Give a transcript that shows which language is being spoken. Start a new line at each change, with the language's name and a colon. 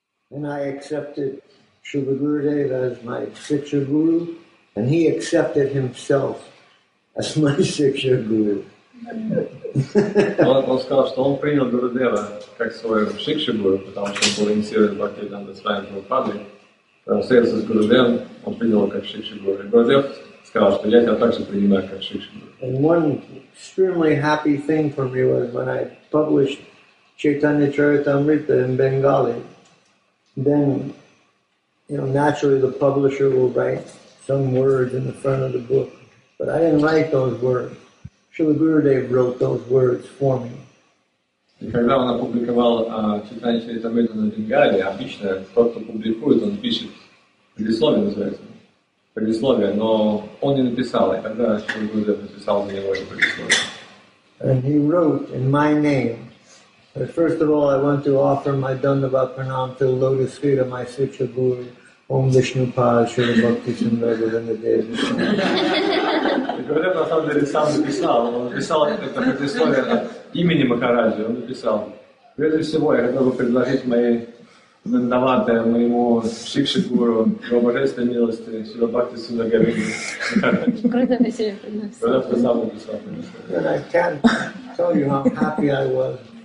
English: And I accepted Shiva Gurudev as my Siksha Guru, and he accepted himself as my Siksha Guru.
Russian: Он сказал, что он принял Гурудева как своего Сикша Гуру, потому что он был инициирован Бхактивиданта Свами Прабхупадой. Он встретился с Гурудевом, он принял его как Сикша Гуру. И Гурудев сказал, что я тебя также принимаю как Сикша Гуру.
English: And one extremely happy thing for me was when I published Chaitanya Charitamrita in Bengali, then, you know, naturally the publisher will write some words in the front of the book, but I didn't write those words. Shiva Gurudev wrote those words for me.
Russian: И когда он опубликовал Чайтанья Чаритамриту на Бенгали, обычно тот, кто публикует, он пишет предисловие, называется, предисловие, но он не написал, и тогда Шрила Гурудев написал за него это предисловие.
English: And he wrote in my name, but first of all, I want to offer my Dandavat Pranam to Lotus Feet of my Siksha Guru, Om Vishnu Pad, Shri Bhakti Sundara Vrindadeva.
Russian: Гурудев на самом деле сам написал, он написал это предисловие имени Махараджи, он написал. Прежде всего, я готов предложить мои Дандаваты моему Сикша Гуру, его божественной милости, Шри Бхакти Сундара Махараджи. Гурудев сам написал предисловие.
English: And I can't tell you how happy I was.